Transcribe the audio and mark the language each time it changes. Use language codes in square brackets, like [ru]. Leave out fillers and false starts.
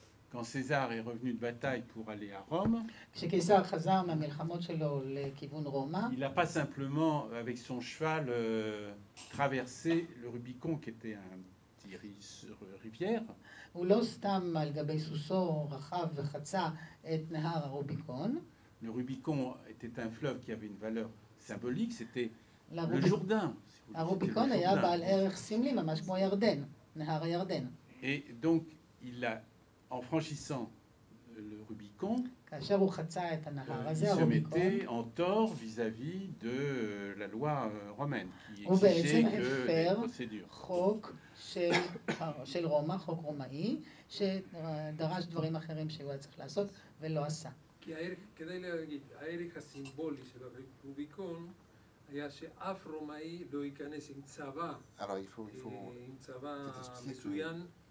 [fr] Quand César est revenu de bataille pour aller à Rome, [he] כשקיסר חזר מהמלחמות שלו לכיוון רומא, [fr] il n'a pas simplement avec son cheval traversé le Rubicon qui était un petit rivière. [he] הוא לא סתם על גבי סוסו רחב וחצה את נהר הרוביקון. [fr] Le Rubicon était un fleuve qui avait une valeur symbolique, c'était le Jourdain. [he] Le Rubicon היה בעל ערך סמלי ממש כמו ירדן, נהר הירדן. [fr] Et donc il a en franchissant le Rubicon, il se mettait en tort vis-à-vis de la loi romaine qui exigeait que les procédures. [he] חוק של, של רומא, חוק רומאי, שדרש דברים אחרים שהוא צריך לעשות ולא עשה. כי כדי להגיד, הערך הסימבולי של הרוביקון היה שאף רומאי לא ייכנס עם צבא, עם צבא מצוין,